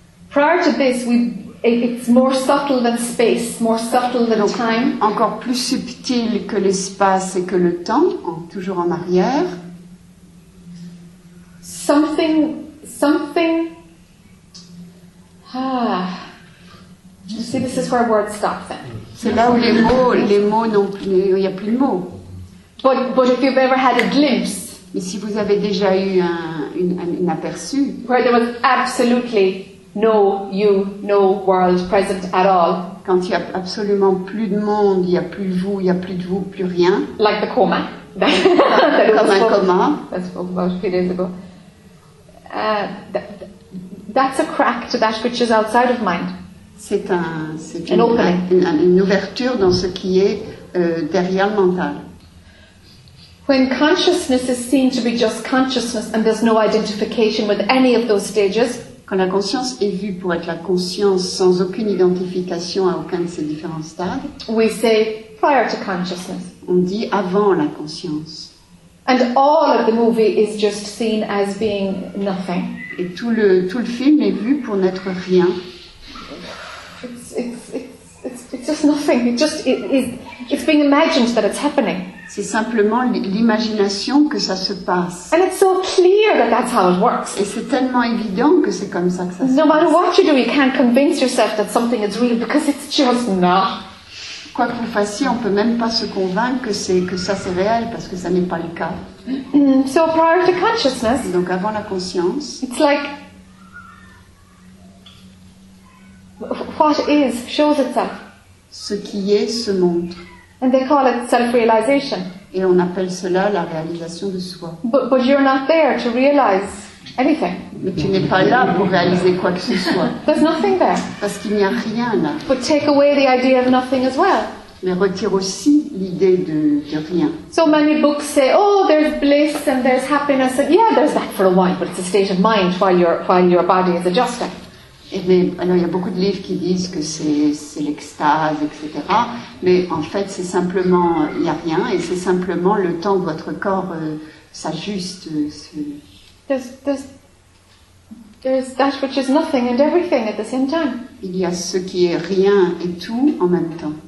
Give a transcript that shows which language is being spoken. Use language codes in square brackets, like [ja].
[en] Prior to this, it's more subtle than space, more subtle than time. [fr] Encore plus subtil que l'espace et que le temps, toujours en arrière. [en] Something. Ah. See, this is where words stop then. [fr] C'est là où les mots n'ont plus, il n'y a plus de mots. [en] But if you've ever had a glimpse, [fr] mais si vous avez déjà eu un aperçu, [en] where there was absolutely no you, no world present at all, [fr] quand il y a absolument plus de monde, il y a plus vous, il y a plus de vous, plus rien, [en] like the coma, [fr] comme un coma, [en] that spoke about a few days ago. That's a crack to that which is outside of mind. [fr] C'est une ouverture dans ce qui est derrière le mental. [en] When consciousness is seen to be just consciousness and there's no identification with any of those stages, [fr] quand la conscience est vue pour être la conscience sans aucune identification à aucun de ces différents stades, [en] we say prior to consciousness. [fr] On dit avant la conscience. [en] And all of the movie is just seen as being nothing. [fr] Et tout le film est vu pour n'être rien. [en] It's just nothing. It's being imagined that it's happening. [fr] C'est simplement l'imagination que ça se passe. [en] And it's so clear that that's how it works. [fr] Et c'est tellement évident que c'est comme ça que ça se passe. [en] No matter what you do, you can't convince yourself that something is real because it's just not. [fr] Quoi que vous fassiez, on peut même pas se convaincre que c'est réel parce que ça n'est pas le cas. [en] So prior to consciousness, [fr] donc avant la conscience, [en] it's like what is shows itself. [fr] Ce qui est se montre. [en] And they call it self-realization. [fr] Et on appelle cela la réalisation de soi. [en] But you're not there to realize anything. [fr] Mais tu n'es pas là pour réaliser quoi que ce soit. [en] There's nothing there. [fr] Parce qu'il n'y a rien là. [en] But take away the idea of nothing as well. [fr] Mais retire aussi l'idée de rien. [en] So many books say, oh, there's bliss and there's happiness. And yeah, there's that for a while, but it's a state of mind while your body is adjusting. [fr] Alors, il y a beaucoup de livres qui disent que c'est l'extase, etc. Mais en fait, c'est simplement, il n'y a rien, et c'est simplement le temps que votre corps s'ajuste. [en] There's that which is nothing and everything at the same time. [fr] Il y a ce qui est rien et tout en même temps.